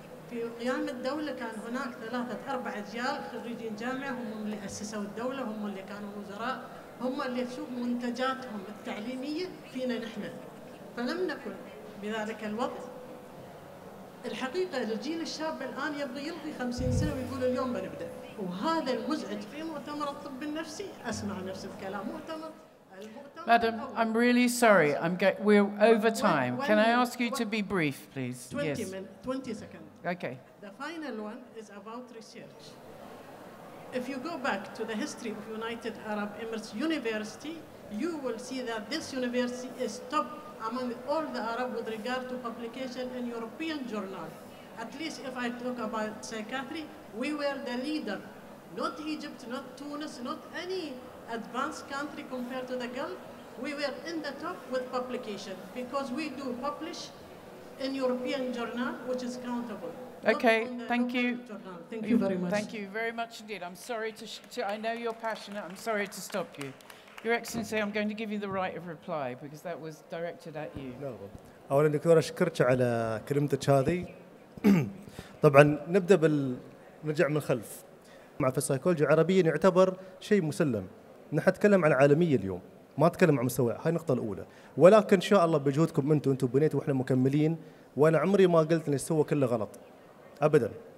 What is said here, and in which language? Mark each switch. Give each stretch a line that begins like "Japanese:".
Arabic: في قيام الدولة كان هناك 3-4 أجيال خريجين جامعة هم اللي أسسوا الدولة، هم اللي كانوا وزراء، هم اللي شوف منتجاتهم التعليمية فينا نحن. فلم نكن بذلك الوضع. الحقيقة الجيل الشاب الآن يبغي يلغي 50 سنة ويقول اليوم بنبدأ، وهذا المزعج. في مؤتمر الطب النفسي أسمع نفس الكلام.
English: Madam, I'm really sorry. We're over time. Can I ask you to be brief, please? 20 yes. Minutes, 20 seconds. Okay. The final one is about research. If you go back to the history of United Arab Emirates University, you will see that this university is top among all the Arab with regard to publication in European journal. At least if I talk about psychiatry, we were the leader. Not Egypt, not Tunis, not any advanced country compared to the Gulf. We were in the top with publication because we do publish in European journal, which is countable. Okay, thank you. Thank you very much. Thank you very much indeed. I'm sorry I know you're passionate. I'm sorry to stop you. Your Excellency, I'm going to give you the right of reply because that was directed at you. No.
Arabic: أولا دكتور أشكرك على كلمتك هذه. طبعاً نبدأ نرجع من الخلف. مع في السايكولوجي عربياً يعتبر شيء مسلم. نحن نتكلم عن عالمية اليوم. ما أتكلم عن مستوى، هاي النقطة الأولى. ولكن إن شاء الله بجهودكم أنتم، أنتم بنيتوا وإحنا مكملين، وأنا عمري ما قلت إن السوى كله غلط أبداً.